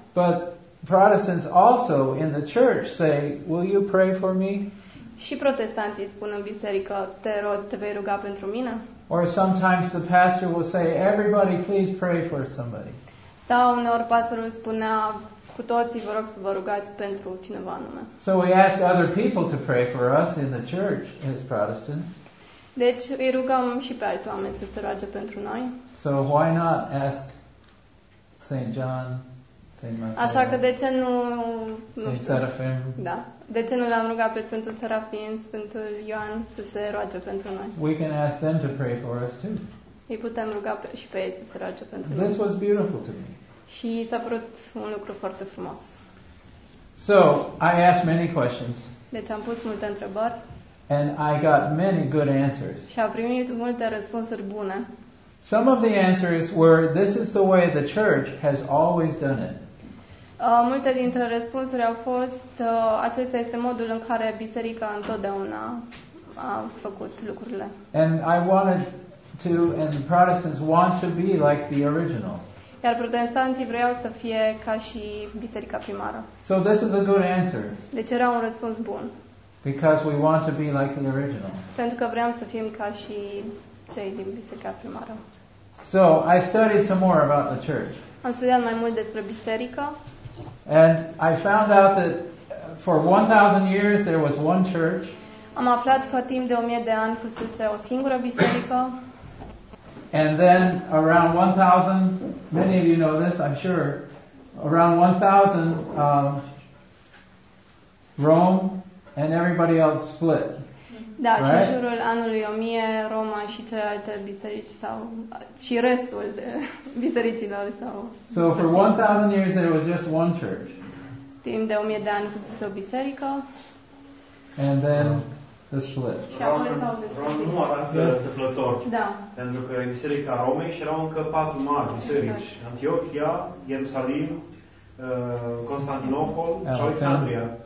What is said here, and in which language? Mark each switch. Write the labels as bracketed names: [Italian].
[English] But Protestants also in the church say, will you pray for me? [Romanian] Și protestanții spun în biserică, te rog, te vei ruga pentru mine? [English] Or sometimes the pastor will say, everybody please pray for somebody. [Romanian] Sau uneori pastorul spunea, cu toții vă rog să vă rugați pentru cineva anume. [English] So we ask other people to pray for us in the church as Protestants. [Romanian] Deci îi rugăm și pe alți oameni să se roage pentru noi. [English] So why not ask St. John, St. Michael. [Romanian] Așa că de ce nu știu. Serafim. Da. De ce nu l-am rugat pe Sfântul Serafin, Sfântul Ioan să se roage pentru noi? [English] We can ask them to pray for us too. [Romanian] Îi putem ruga și pe ei să se roage pentru [English] this [Romanian] noi. [English] This was beautiful to me. [Romanian] Și s-a părut un lucru foarte frumos. [English] So, I asked many questions. [Romanian] Deci am pus multe întrebări. [English] And I got many good answers. [Romanian] Și am primit multe răspunsuri bune. [English] Some of the answers were, this is the way the church has always done it. [Romanian] Multe dintre răspunsuri au fost, acesta este modul în care biserica întotdeauna a făcut lucrurile. [English] And I wanted to, and the Protestants want to be like the original. [Romanian] Iar protestanții vreau să fie ca și biserica primară. [English] So this is a good answer. [Romanian] Deci era un răspuns bun. [English] Because we want to be like the original. [Romanian] Pentru că vreau să fim ca și cei din biserica primară. [English] So, I studied some more about the church. [Romanian] Am studiat mai mult despre biserică. [English] And I found out that for 1000 years there was one church. [Romanian] Am aflat că timp de 1000 de ani fusese o singură biserică. [English] And then around 1000, many of you know this, I'm sure, around 1000 Rome and everybody else split. [Romanian] Da, [English] right? [Romanian] Și în jurul anului 1000, Roma și celelalte biserici sau și restul de bisericilor sau. [English] So for 1000 years there was just one church. [Romanian] Timp de 1000 de ani fusese o biserică. [English] And then the split. [Romanian] Roma arată întâmplător. Da. Pentru că biserica Romei și erau încă patru mari biserici. Exact. Antiochia, Ierusalim, Constantinopol și Alexandria.